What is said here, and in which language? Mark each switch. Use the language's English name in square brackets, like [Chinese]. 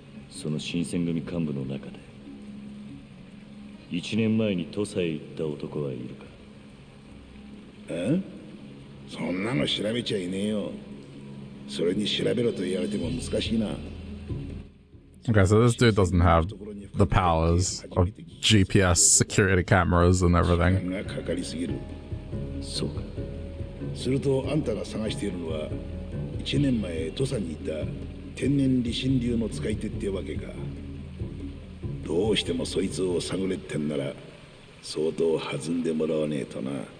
[Japanese] その新選組幹部の中で1年前に土佐へ行った男はいるか。え？そんなの調べちゃいねえよ。それに調べろと言われても難しいな。 [English] Okay, so this dude doesn't have the powers of GPS security cameras and everything. [Japanese] そうか。するとあんたが探しているのは1年前土佐にいた天然理心流の使い手ってわけか。どうしてもそいつを探れってんなら相当弾んでもらわねえとな。